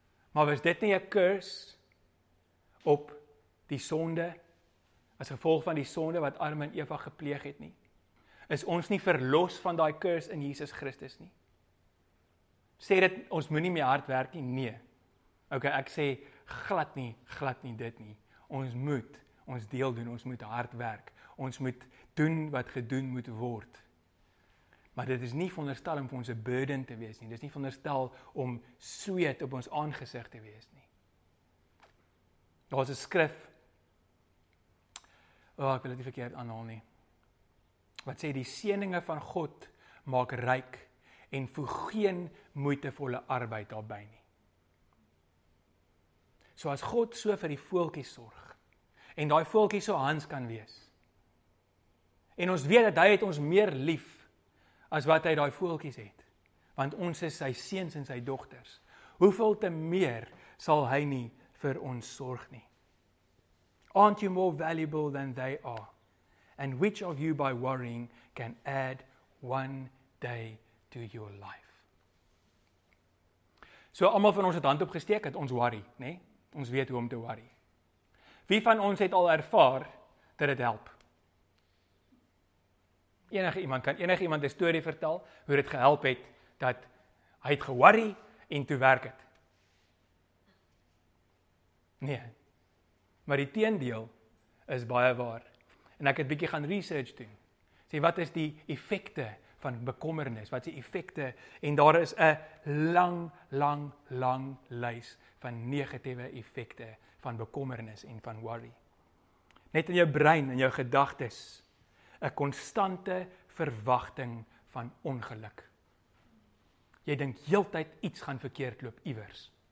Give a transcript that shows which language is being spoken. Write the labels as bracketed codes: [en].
[af] Maar was dit nie 'n curse, op die sonde, as gevolg van die sonde wat Adam en Eva gepleeg het nie, is ons nie verlos van daai curse in Jesus Christus nie. Sê dit, ons moet nie meer hard werk nie, nee. Ok, ek sê, glad nie dit nie. Ons moet ons deel doen, ons moet hard werk. Ons moet doen wat gedoen moet word. Maar dit is nie veronderstel om vir ons 'n burden te wees nie. Dit is nie veronderstel om sweet op ons aangesig te wees nie. Daar is 'n skrif, oh, ek wil dit nie verkeerd aanhaal nie. Wat sê, die seëninge van God maak ryk en voeg geen moeitevolle arbeid daarby nie. So as God so vir die voeltjies sorg en daai voeltjie so Hans kan wees. En ons weet dat hy het ons meer lief as wat hy daai voeltjies het, want ons is sy seuns en sy dogters. Hoeveel te meer sal hy nie vir ons sorg nie. [en] Aren't you more valuable than they are? And which of you by worrying can add one day to your life? [af] So almal van ons het hand opgesteek dat ons worry, nê? Ons weet hoe om te worry. Wie van ons het al ervaar dat dit help? Enige iemand kan enige iemand 'n storie vertel hoe dit gehelp het dat hy het ge-worry en toe werk het. Nee. Maar die teendeel is baie waar. En ek het bietjie gaan research doen. Sê wat is die effekte van bekommernis? Wat is die effekte? En daar is 'n lang, lang, lang lys van negatiewe effekte van bekommernis en van worry. Net in jou brein en jou gedagtes 'n konstante verwagting van ongeluk. Jy dink heeltyd iets gaan verkeerd loop iewers.